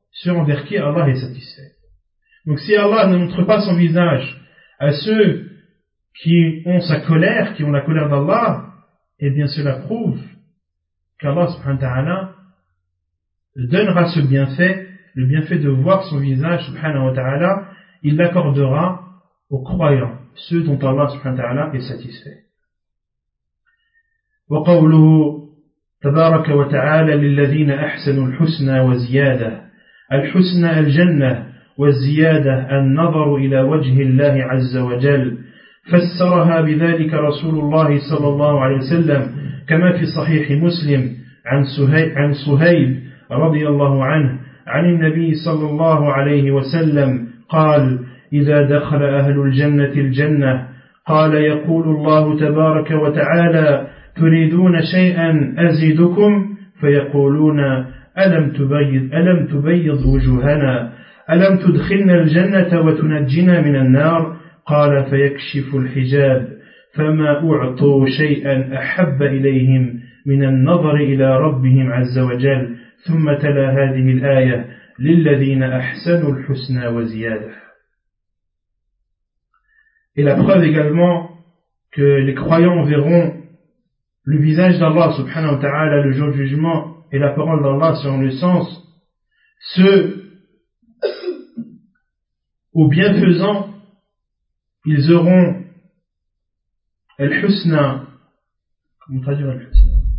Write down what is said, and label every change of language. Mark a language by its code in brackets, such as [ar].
[fr] Ceux envers qui Allah est satisfait. Donc si Allah ne montre pas son visage à ceux qui ont sa colère, qui ont la colère d'Allah, eh bien cela prouve qu'Allah subhanahu wa ta'ala donnera ce bienfait, le bienfait de voir son visage subhanahu wa ta'ala, il l'accordera aux croyants, ceux dont Allah subhanahu wa ta'ala est satisfait. [ar] وقوله تبارك وتعالى للذين أحسنوا الحسنى وزيادة الحسنى الجنة والزيادة النظر إلى وجه الله عز وجل فسرها بذلك رسول الله صلى الله عليه وسلم كما في صحيح مسلم عن صهيب رضي الله عنه عن النبي صلى الله عليه وسلم قال: إذا دخل أهل الجنة الجنة قال يقول الله تبارك وتعالى: تريدون شيئا أزيدكم؟ فيقولون: ألم تبيض وجوهنا؟ ألم تدخلنا الجنة وتنجينا من النار؟ قال: فيكشف الحجاب، فما أعطوا شيئا أحب إليهم من النظر إلى ربهم عز وجل. ثم تلا هذه الآية: للذين أحسنوا الحسنى وزيادة. [fr] Et la preuve également que les croyants verront le visage d'Allah subhanahu wa ta'ala le jour du jugement et la parole d'Allah selon le sens, ceux aux bienfaisants, ils auront al-husna. Comment traduire al-husna?